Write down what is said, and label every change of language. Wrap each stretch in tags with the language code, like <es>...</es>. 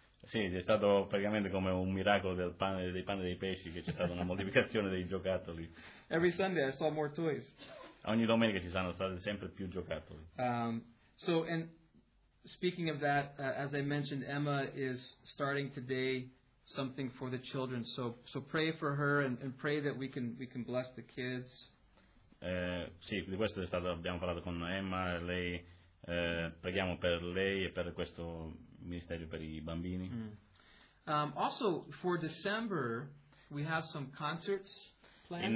<it>Sì, è stato praticamente come un miracolo del pane, dei pane e dei pesci, che c'è stata una moltiplicazione dei giocattoli.</it> <en>Every Sunday I saw more toys.</en> <it>Ogni domenica ci sono stati sempre più giocattoli.</it> <en>So, and speaking of that, as I mentioned, Emma is starting today something for the children. So pray for her and pray that we can bless the kids.</en> <it>Sì, di questo abbiamo parlato con Emma. Lei preghiamo per lei e per questo ministero per I bambini. Mm.</it> <en>Also for December, we have some concerts planned.</en>